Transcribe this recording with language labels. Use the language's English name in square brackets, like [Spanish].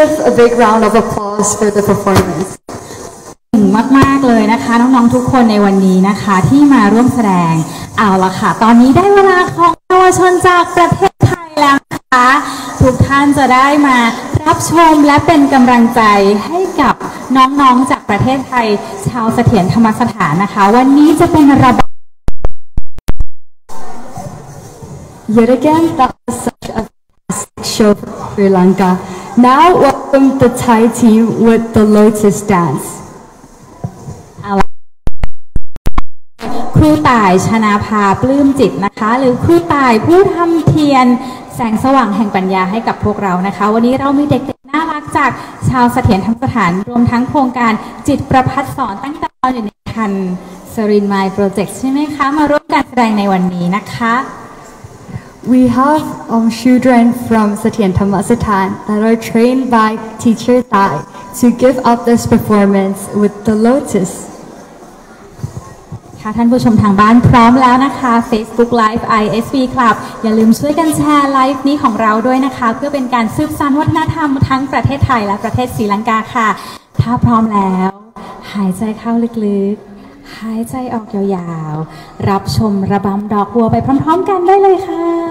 [English] A big round of applause for the performance. [Thai] มากมากเลยนะคะน้องๆทุกคนในวันนี้นะคะที่มาร่วมแสดงเอาละค่ะตอนนี้ได้เวลาของเยาวชนจากประเทศไทยแล้วนะคะทุกท่านจะได้มารับชมและเป็นกำลังใจให้กับน้องๆจากประเทศไทยชาวเสถียรธรรมสถานนะคะวันนี้จะเป็นระบบ [English] Yet again, that was such a fantastic show for Sri Lanka. Now what? From the Thai team with the Lotus Dance. [Thai] ครูต่ายชนาภาปลื้มจิตนะคะหรือครูต่ายผู้ทำเทียนแสงสว่างแห่งปัญญาให้กับพวกเรานะคะวันนี้เรามีเด็กๆน่ารักจากชาวเสถียรธรรมสถานรวมทั้งโครงการจิตประพัดสอนตั้งแต่ตอนอยู่ในคันสรินไมล์โปรเจกต์ใช่ไหมคะมาร่วมการแสดงในวันนี้นะคะ [English] We have children from Sathian Thammasathan that are trained by teacher Thai to give up this performance with the Lotus. [Thai] ค่ะท่านผู้ชมทางบ้านพร้อมแล้วนะคะ Facebook Live ISV Club อย่าลืมช่วยกันแชร์ไลฟ์นี้ของเราด้วยนะคะเพื่อเป็นการสืบสานวัฒนธรรมทั้งประเทศไทยและประเทศศรีลังกาค่ะถ้าพร้อมแล้วหายใจเข้าลึกๆหายใจออกยาวๆรับชมระบำดอกบัวไปพร้อมๆกันได้เลยค่ะ